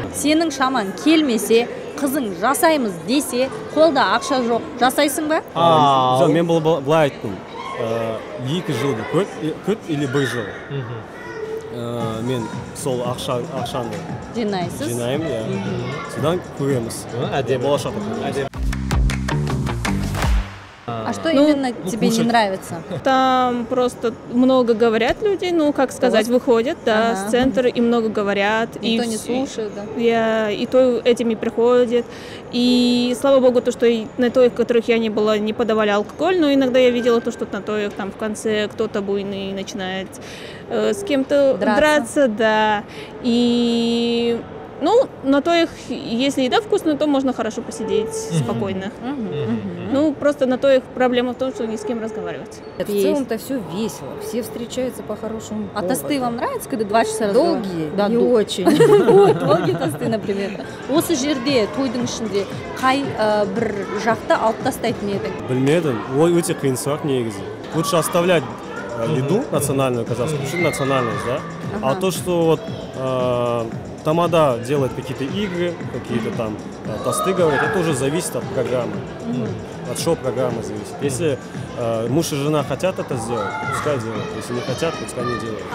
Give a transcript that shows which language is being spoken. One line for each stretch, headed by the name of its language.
Kazakh: Сенің шамаң келмесе, қызың жасаймыз десе, қолда ақша жоқ, жасайсың ба? Жоқ, мен былай айттым. Екі жылды күт
Russian: или
Kazakh: бір жыл. Мен сол ақшаны жинаймын, иә. Содан көреміз. Әдемі болашақ.
Russian: А что именно тебе не нравится? Там просто много говорят люди, ну, как сказать, вот. Выходят, да, с центра и много говорят. Никто не слушает, да? И то этими приходят. И слава богу, то, что на тоях, в которых я не была, не подавали алкоголь, но иногда я видела то, что на тоях там в конце кто-то буйный начинает с кем-то драться, да. И... Ну, на тоях, если еда вкусная, то можно хорошо посидеть спокойно. Ну, просто на тоях проблема в том, что ни с кем разговаривать. В целом-то все весело, все встречаются по-хорошему. А тосты вам нравятся, когда два часа разговаривают? Долгие? Да, очень. Долгие тосты, например.
Kazakh: Осы жерде, тойдың ішінде, қай бір жақты алып тастайтын едік? Білмедім, ой, өте қиын сұрақ негізі.
Russian: Лучше оставлять еду национальную казахскую, потому что национальность, да? А то, что вот... Тамада делает какие-то игры, какие-то там тосты говорят, это уже зависит от программы, от шоу-программы зависит. Если муж и жена хотят это сделать, пускай делают, если не хотят, пускай не делают.